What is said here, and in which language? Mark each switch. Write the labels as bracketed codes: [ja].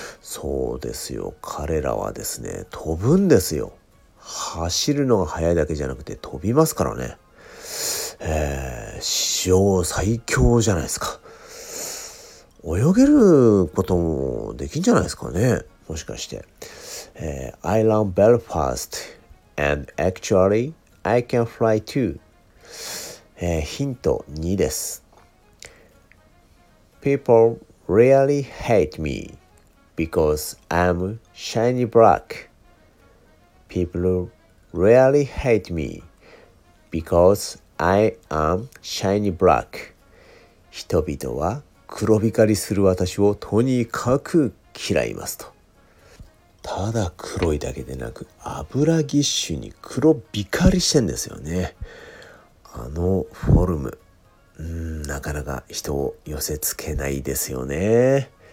[ja] そうですよ、彼らはですね、飛ぶんですよ。走るのが速いだけじゃなくて飛びますからね。史上最強じゃないですか。泳げることもできんじゃないですかね、もしかして。 [en] I run very fast and actually I can fly too。 [ja] ヒント2です。 [en] PeopleReally hate me because I'm shiny black. People really hate me because I am shiny black. [ja] 人々は黒光りする私をとにかく嫌いますと。ただ黒いだけでなく、油ぎっしゅに黒光りしてんですよね。あのフォルム、なかなか人を寄せつけないですよね。